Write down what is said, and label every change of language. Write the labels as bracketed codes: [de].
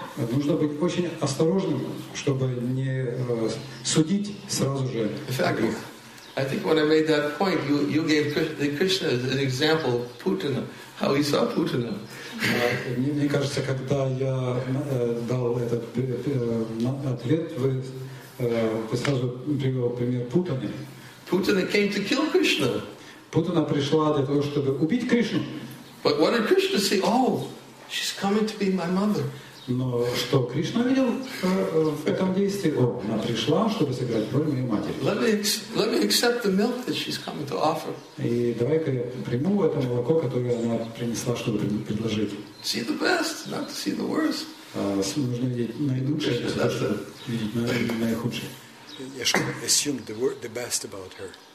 [ru] Нужно быть очень осторожным, чтобы не судить сразу же. [en] In fact, I think when I made that point, you gave Krishna as an example, Putana, how he saw Putana. [ru] Мне кажется, когда я дал этот ответ, вы сразу привел пример Путаны. [en] Путана came to kill Krishna. [ru] Путана пришла для того, чтобы убить Кришну. [en] But what did Krishna say? Oh, she's coming to be my mother. [ru] Но что Кришна видел в этом действии? О, она пришла, чтобы сыграть роль моей матери. [en] Let me accept the milk that she's coming to offer. [ru] И давай-ка я приму это молоко, которое она принесла, чтобы предложить. [en] See the best, not to see the worst. Assume the best about her.